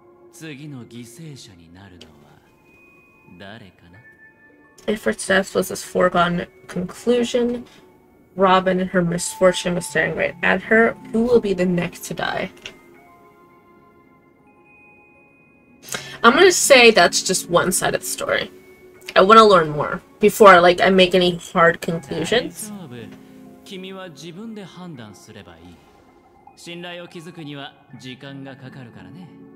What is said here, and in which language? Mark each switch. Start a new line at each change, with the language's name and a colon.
Japanese: 次の犠牲者になるのは誰かな?
English: Ifrit's death was this foregone conclusion. Robin and her misfortune was staring right at her. Who will be the next to die? I'm gonna say that's just one side of the story. I wanna learn more before like, I make any hard conclusions.
Japanese: 君は自分で判断すればいい。信頼を築くには時間がかかるからね。